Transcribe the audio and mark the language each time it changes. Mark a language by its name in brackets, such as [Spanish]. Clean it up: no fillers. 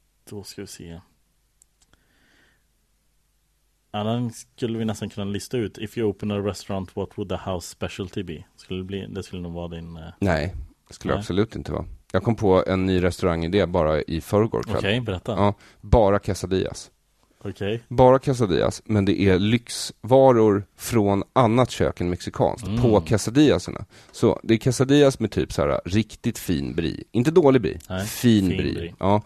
[Swedish] Då ska vi se. Annan skulle vi nästan kunna lista ut. [English] If you open a restaurant, what would the house specialty be? [Swedish] Skulle det, bli, det skulle nog vara din... Nej, det skulle absolut inte vara. Jag kom på en ny restaurangidé bara i förrgår kväll. Okej, berätta. Ja, bara quesadillas. Okej. Bara quesadillas, men det är lyxvaror från annat kök än mexikanskt på quesadillaserna. Så det är quesadillas med typ så här riktigt fin brie. Inte dålig brie, fin brie. Ja.